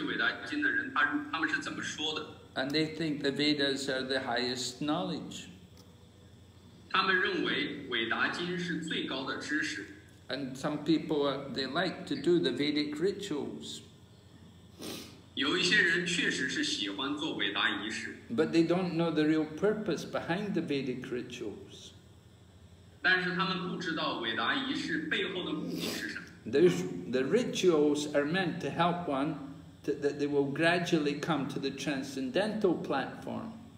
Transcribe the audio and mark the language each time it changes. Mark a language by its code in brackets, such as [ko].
[zh] 薄伽梵歌中也描述了那些追随伟达经的人，他们是怎么说的。 [en] And they think the Vedas are the highest knowledge. [zh] 他们认为伟达经是最高的知识。 [en] And some people, they like to do the Vedic rituals. [zh] 有一些人确实是喜欢做伟达仪式。 [en] But they don't know the real purpose behind the Vedic rituals. [zh] 但是他们不知道伟达仪式背后的目的是什么。 [en] The rituals are meant to help one that they will gradually come to the transcendental platform.